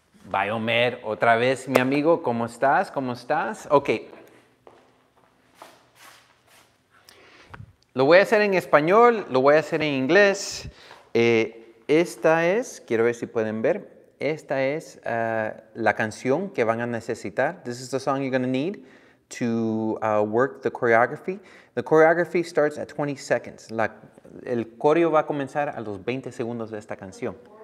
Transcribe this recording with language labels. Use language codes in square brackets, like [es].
[es] Bye, Omer, otra vez, mi amigo, ¿cómo estás? ¿Cómo estás? Okay. Lo voy a hacer en español, lo voy a hacer en inglés. Esta es, quiero ver si pueden ver, esta es la canción que van a necesitar. [en] This is the song you're going to need to work the choreography. The choreography starts at 20 seconds. [es] El coreo va a comenzar a los 20 segundos de esta canción.